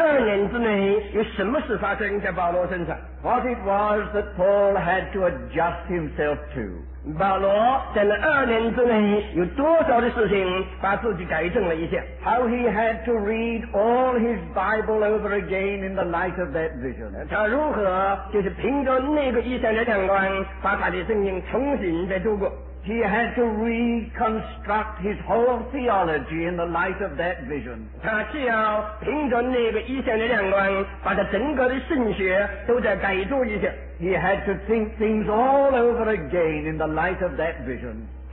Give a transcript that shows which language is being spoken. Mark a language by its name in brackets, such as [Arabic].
[Chinese] 我常常在那里想到那2年之内有什么事发生在保罗身上。 [English] What it was that Paul had to adjust himself to. [Chinese] 保罗在那2年之内有多少的事情把自己改正了一下。 [English] How he had to read all his Bible over again in the light of that vision. [Chinese] 他如何就是凭着那个意象来讲完把他的圣经重新再读过。 [English] He had to reconstruct his whole theology in the light of that vision. [Chinese] 他需要凭着那个意象的亮光把他整个的圣学都在改造一下。 [English] He had to think things all over again in the light of that vision.